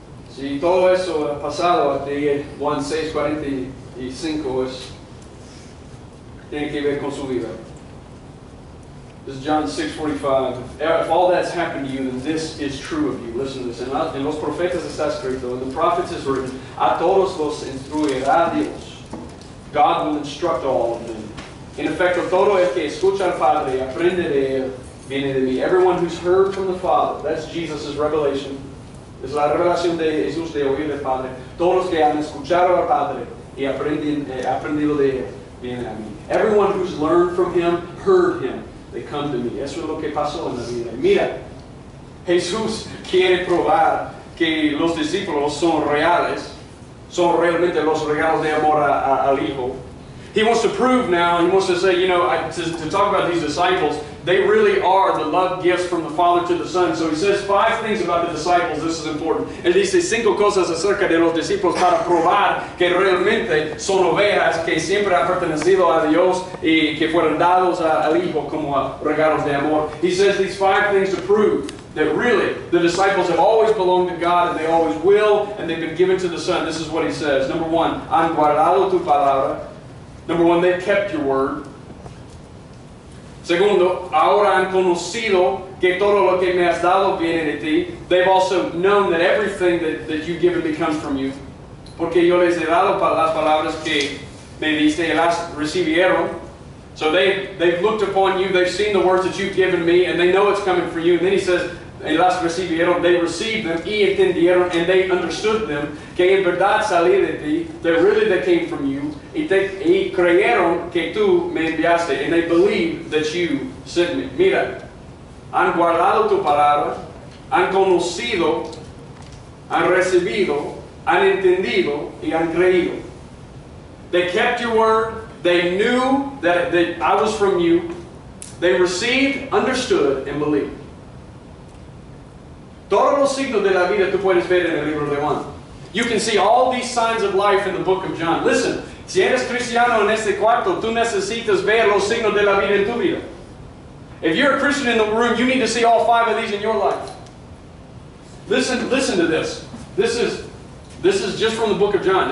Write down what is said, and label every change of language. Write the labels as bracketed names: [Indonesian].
[Spanish] Si todo eso ha pasado a ti, Juan 6:45 es, tiene que ver con su vida. [English] This is John 6:45. If all that's happened to you, then this is true of you. Listen to this. [Spanish] En los profetas está escrito, [English] in the prophets is written, [Spanish] a todos los instruirá Dios. [English] God will instruct all of them. [Spanish] En efecto, todo el que escucha al Padre, aprende de él, viene de mí. [English] Everyone who's heard from the Father, that's Jesus' revelation. [Spanish] Es la revelación de Jesús de oír del Padre. Todos los que han escuchado al Padre y aprendido de él, viene a mí. [English] Everyone who's learned from him, heard him. They come to me. [Spanish] Eso es lo que pasó en la vida. Mira, Jesús quiere probar que los discípulos son reales. Son realmente los regalos de amor al Hijo. [English] He wants to prove now, he wants to say, you know, to talk about these disciples, they really are the love gifts from the Father to the Son. So he says five things about the disciples. This is important. [Spanish] Él dice cinco cosas acerca de los discípulos para probar que realmente son ovejas que siempre han pertenecido a Dios y que fueron dados al Hijo como regalos de amor. [English] He says these five things to prove that really the disciples have always belonged to God and they always will, and they've been given to the Son. This is what he says. Number one, [Spanish] han guardado tu palabra. [English] Number one, they've kept your word. [Spanish] Segundo, ahora han conocido que todo lo que me has dado viene de ti. [English] They've also known that everything that you've given me comes from you. [Spanish] Porque yo les he dado las palabras que me diste y las recibieron. [English] So they've looked upon you, they've seen the words that you've given me, and they know it's coming from you. And then he says, [Spanish] y las recibieron, [English] they received them, [Spanish] y entendieron, [English] and they understood them, [Spanish] que en verdad salí de ti, [English] that really they came from you, [Spanish] y creyeron que tú me enviaste, [English] and they believed that you sent me. [Spanish] Mira, han guardado tu palabra, han conocido, han recibido, han entendido, y han creído. [English] They kept your word, they knew that I was from you, they received, understood, and believed. [Spanish] Todos los signos de la vida tú puedes ver en el libro de Juan. [English] You can see all these signs of life in the book of John. [Spanish] Listen, si eres cristiano en este cuarto, tú necesitas ver los signos de la vida en tu vida. [English] If you're a Christian in the room, you need to see all five of these in your life. Listen to this. This is just from the book of John.